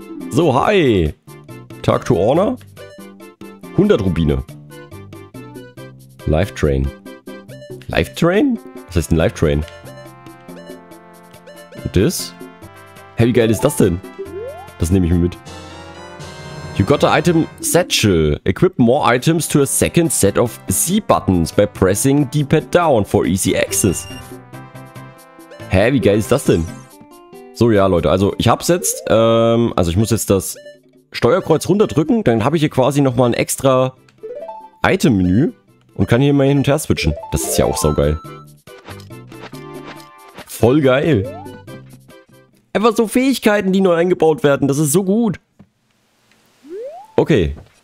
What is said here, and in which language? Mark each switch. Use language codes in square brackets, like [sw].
[en] So, hi. Tag to Honor. 100 Rubine. Life Train. Life Train? [de] Was heißt ein Life Train? Das? Hey, wie geil ist das denn? Das nehme ich mir mit. [en] You got an item satchel. Equip more items to a second set of Z buttons by pressing D-pad down for easy access. [de] Hä, wie geil ist das denn? So, ja, Leute, also ich hab's jetzt. Also ich muss jetzt das Steuerkreuz runterdrücken. Dann habe ich hier quasi nochmal ein extra Item-Menü und kann hier mal hin und her switchen. Das ist ja auch saugeil. Voll geil. Einfach so Fähigkeiten, die neu eingebaut werden. Das ist so gut. Okay.